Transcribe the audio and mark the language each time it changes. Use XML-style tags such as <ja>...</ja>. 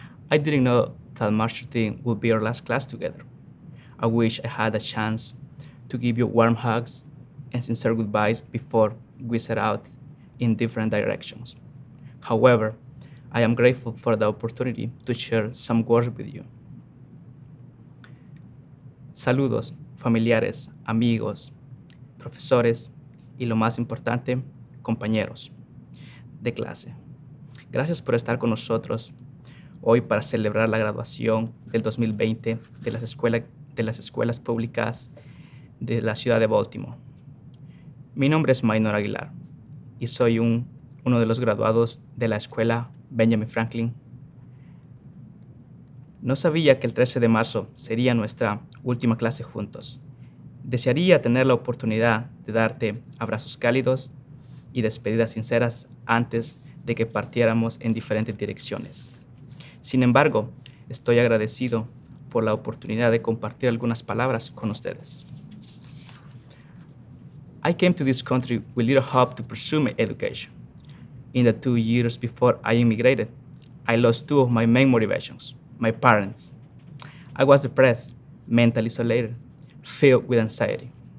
<en>I didn't know that March 13 would be our last class together. I wish I had a chance to give you warm hugs and sincere goodbyes before we set out in different directions. However, I am grateful for the opportunity to share some words with you.</en> <es>Saludos, familiares, amigos, profesores, y lo más importante, compañeros de clase. Gracias por estar con nosotros hoy para celebrar la graduación del 2020 de las escuelas públicas de la ciudad de Baltimore. Mi nombre es Minor Aguilar y soy uno de los graduados de la escuela Benjamin Franklin. No sabía que el 13 de marzo sería nuestra última clase juntos. Desearía tener la oportunidad de darte abrazos cálidos y despedidas sinceras antes de que partiéramos en diferentes direcciones. Sin embargo, estoy agradecido por la oportunidad de compartir algunas palabras con ustedes.</es> <en>I came to this country with little hope to pursue my education. In the 2 years before I immigrated, I lost two of my main motivations, my parents. I was depressed, mentally isolated, filled with anxiety.</en>